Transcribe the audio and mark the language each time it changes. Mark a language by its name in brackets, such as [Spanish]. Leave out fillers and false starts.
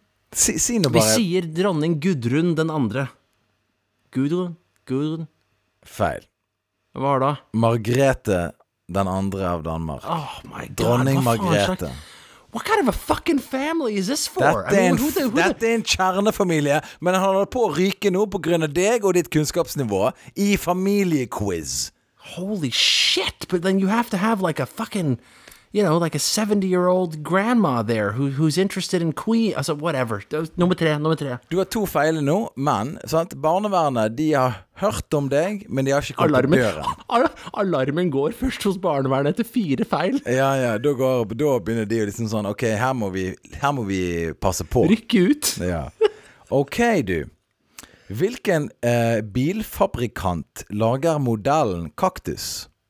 [Norwegian] Si noe bare. Vi sier dronning Gudrun den andre. Gudrun. Feil. Hva da? Margrethe den andre av Danmark. [English] Oh my god. [Norwegian] Dronning Margrethe. [English] What kind of a fucking family is this for? [Norwegian] Dette er en kjernefamilie, men han holder på å ryke nå på grunn av deg og ditt kunnskapsnivå i familiequiz. [English] Holy shit, but then you have to have like a fucking, you know, like a 70-year-old grandma there who's interested in queen, altså whatever. [Norwegian] Nummer tre. Du har 2 feil nå, men sant? Barnevernet, de har hørt om deg, men de har ikke kommet på døren. Alarmen går først hos barnevernet etter 4 feil. Ja, ja, da begynner de jo liksom sånn, ok, her må vi passe på. Rykke ut. Ja. Ok, du. Hvilken bilfabrikant lager modellen Cactus?